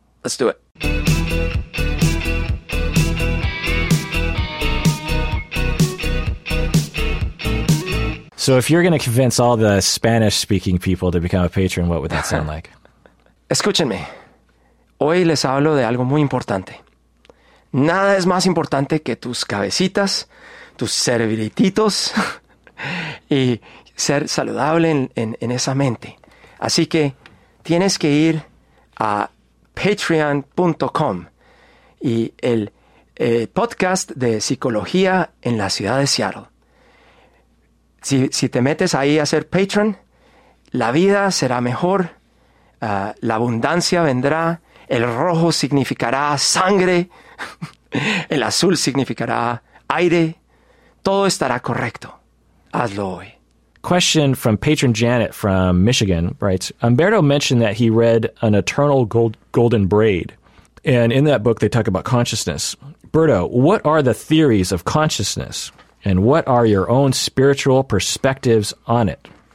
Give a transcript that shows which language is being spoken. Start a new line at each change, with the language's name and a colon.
English: Let's do it. So if you're going to convince all the Spanish-speaking people to become a patron, what would that sound like?
Spanish: Escúchenme. Hoy les hablo de algo muy importante. Nada es más importante que tus cabecitas, tus cerebrititos, y ser saludable en esa mente. Así que tienes que ir a patreon.com y el podcast de psicología en la ciudad de Seattle. Si te metes ahí a ser patron, la vida será mejor, la abundancia vendrá, el rojo significará sangre, el azul significará aire, todo estará correcto. Hazlo hoy.
English: Question from patron Janet from Michigan writes, Umberto mentioned that he read An Eternal Golden Braid, and in that book they talk about consciousness. Berto, what are the theories of consciousness? And what are your own spiritual perspectives on it?